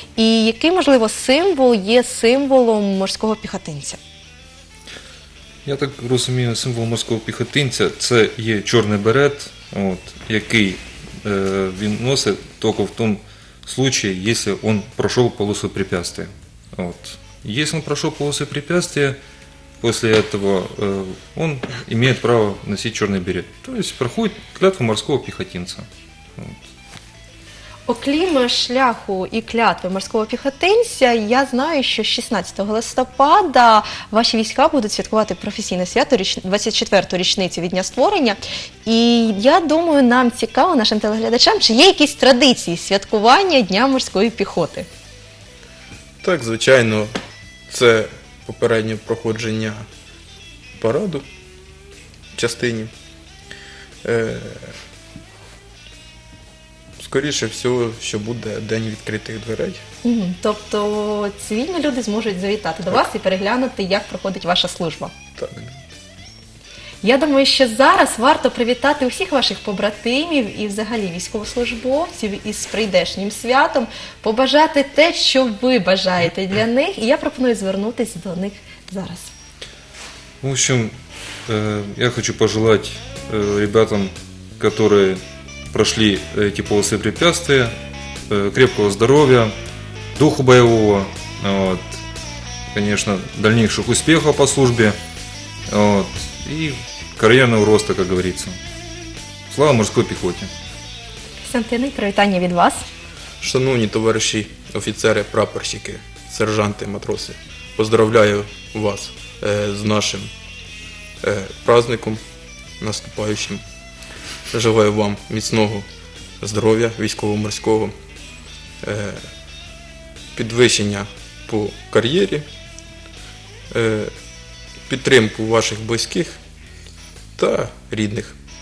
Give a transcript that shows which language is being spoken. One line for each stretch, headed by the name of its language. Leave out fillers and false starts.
Ukrainian: І який, можливо, символ є символом морського піхотинця? Я так розумію, символ морського піхотинця – це є чорний берет, от, який він носить тільки в тому,
Russian: случае, если он прошел полосу препятствия. Вот. Если он прошел полосу препятствия, после этого он имеет право носить черный берет. То есть проходит клятву морского пехотинца. Вот.
Ukrainian: Окрім шляху і клятви морського піхотинця, я знаю, що 16 листопада ваші війська будуть святкувати професійне свято, 24-ту річницю від дня створення. І я думаю, нам цікаво, нашим телеглядачам, чи є якісь традиції святкування Дня морської піхоти? Так, звичайно, це попереднє проходження параду частині. Скоріше всього, що буде день відкритих дверей. Тобто цивільні люди зможуть завітати так. До вас і переглянути, як проходить ваша служба. Так. Я думаю, що зараз варто привітати усіх ваших побратимів і взагалі військовослужбовців із прийдешнім святом, побажати те, що ви бажаєте для них, і я пропоную звернутися до них зараз.
Russian: В общем, я хочу пожелати ребятам, які прошли эти полосы препятствия, крепкого здоровья, духу боевого, вот, конечно, дальнейших успехов по службе, вот, и карьерного роста, как говорится. Слава морской пехоте!
Ukrainian: Костянтине, привітання від вас! Шановні товариші, офіцери, прапорщики, сержанти, матроси,
Russian: поздравляю вас
Ukrainian: з нашим праздником наступаючим.
Russian: Желаю вам
Ukrainian: міцного здоров'я військово-морського, підвищення по кар'єрі, підтримку ваших близьких та рідних.